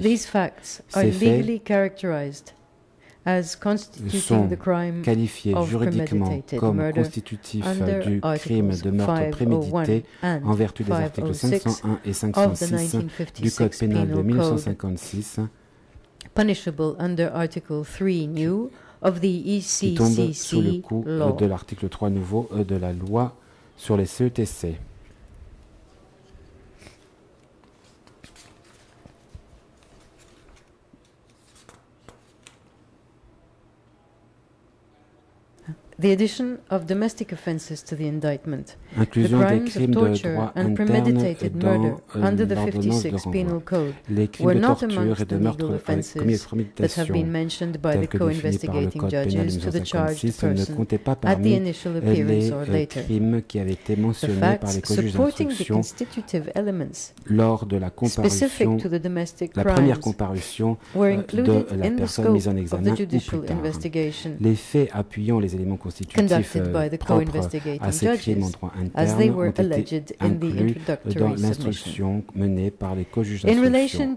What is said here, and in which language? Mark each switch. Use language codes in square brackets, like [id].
[en] These facts are legally characterized as constituting the crime of premeditated murder under [fr] du crime de meurtre prémédité en vertu des articles 501 et 506 du Code pénal de 1956, [en] punishable under Article 3 new of the ECCC law. [fr] Qui tombe sous le coup de l'article 3 nouveau de la loi sur les CETC. [en] The addition of domestic offenses to the indictment, [fr] inclusion [en] the crimes of torture and premeditated murder under the 56 Penal Code were not amongst the legal offenses that have been mentioned by the co-investigating judges to the charged person at the initial appearance or later. The facts supporting the constitutive elements [fr] lors de la [en] specific to the domestic crimes were included in the scope of the judicial investigation. [fr] Les faits appuyant les éléments constitutifs propres à ces crimes en droit interne ont été inclus dans l'instruction menée par les co-juges d'instruction,